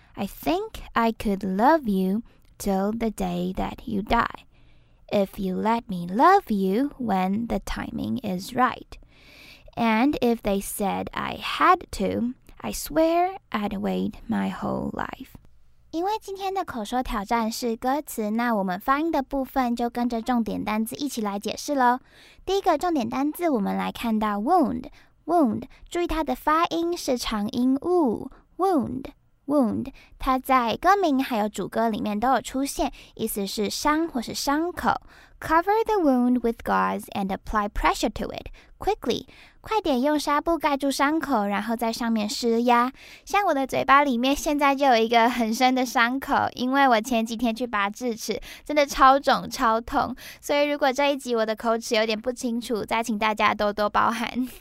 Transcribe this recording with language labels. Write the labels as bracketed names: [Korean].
[English] I think I could love you till the day that you die. If you let me love you when the timing is right. And if they said I had to, I swear I'd wait my whole life. [Chinese] 因为今天的口说挑战是歌词，那我们发音的部分就跟着重点单字一起来解释咯。第一个重点单字，我们来看到 wound， 注意它的发音是长音 wound， 它在歌名还有主歌里面都有出现，意思是伤或是伤口。 [English] Cover the wound with gauze and apply pressure to it quickly. [Chinese] 快点用纱布盖住伤口，然后在上面施压。像我的嘴巴里面现在就有一个很深的伤口，因为我前几天去拔智齿，真的超肿超痛。所以如果这一集我的口齿有点不清楚，再请大家多多包涵。